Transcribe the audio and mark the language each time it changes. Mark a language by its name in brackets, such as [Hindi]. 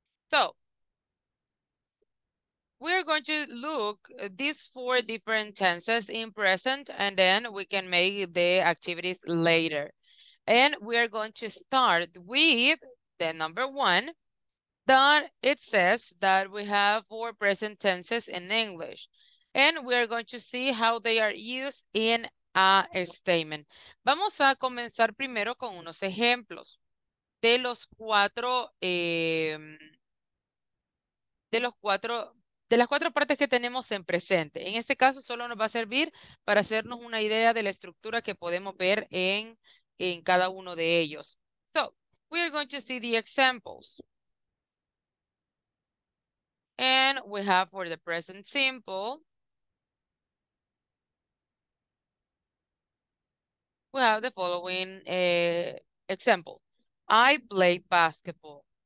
[English] So we're going to look at these four different tenses in present, and then we can make the activities later. And we are going to start with the number one, that it says that we have four present tenses in English. And we are going to see how they are used in a statement. [Spanish] Vamos a comenzar primero con unos ejemplos de los cuatro, de las cuatro partes que tenemos en presente. En este caso, solo nos va a servir para hacernos una idea de la estructura que podemos ver en cada uno de ellos. [English] So, we are going to see the examples. And we have for the present simple. We have the following example. I play basketball.